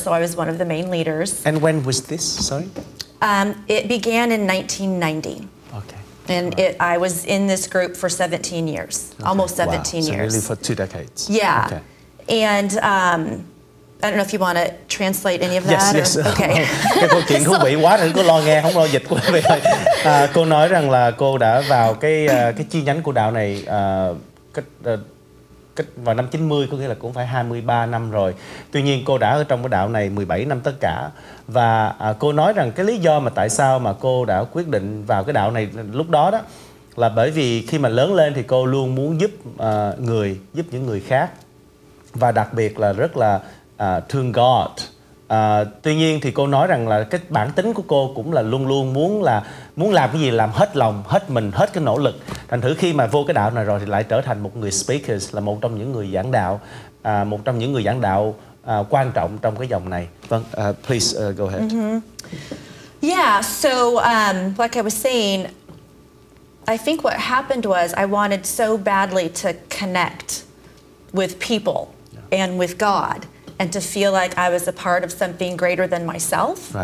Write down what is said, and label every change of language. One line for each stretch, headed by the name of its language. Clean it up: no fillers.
English: So I was one of the main leaders. And when was this, sorry? It began in 1990. And I was in this group for 17 years, almost 17 years. So really for two decades. Yeah. Okay. And I don't know if you want to translate any of that. Yes. Or, okay.
Vietnamese: Cái câu chuyện thú vị quá, đừng có lo nghe, không lo dịch. Cô nói rằng là cô đã vào cái chi nhánh của đạo này cách vào năm 90, có nghĩa là cũng phải 23 năm rồi. Tuy nhiên cô đã ở trong cái đạo này 17 năm tất cả. Và cô nói rằng cái lý do mà tại sao mà cô đã quyết định vào cái đạo này lúc đó là bởi vì khi mà lớn lên thì cô luôn muốn giúp người, giúp những người khác, và đặc biệt là rất là thương God. Tuy nhiên thì cô nói rằng là cái bản tính của cô cũng là luôn luôn muốn là muốn làm cái gì làm hết lòng, hết mình, hết cái nỗ lực. Thành thử khi mà vô cái đạo này rồi thì lại trở thành một người speakers, là một trong những người giảng đạo, một trong những người giảng đạo quan trọng trong cái dòng này. Vâng,
English: please go ahead. Mm-hmm. Yeah, so like I was saying, I think what happened was I wanted so badly to connect with people, yeah, and with God, and to feel like I was a part of something greater than myself.